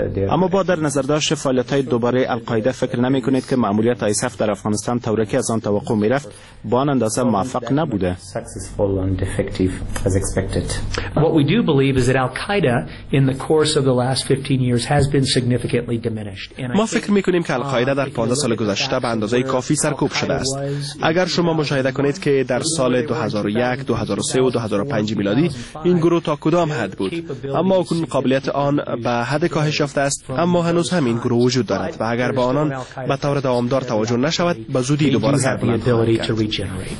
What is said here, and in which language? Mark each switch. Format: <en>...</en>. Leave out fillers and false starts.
<fa>اما با در نظر داشت فعالیت‌های دوباره القاعده فکر نمی‌کنید که مأموریت ISAF در افغانستان طوری که از آن توقع می‌رفت با آن اندازه موفق نبوده؟</fa> <en>What we do believe is that al-Qaeda in the course of the last 15 years has been significantly diminished.</en> <fa>ما فکر می‌کنیم که القاعده در 15 سال گذشته به اندازه کافی سرکوب شده است. اگر شما مشاهده کنید که در سال 2001، 2003 و 2005 میلادی این گروه تا کدام حد بود، اما اکنون قابلیت آن به حد کاهش یافته است، اما هنوز همین گروه وجود دارد و اگر به آنان به طور دوامدار توجه نشود به زودی دوباره سر بلند خواهد کرد.</fa>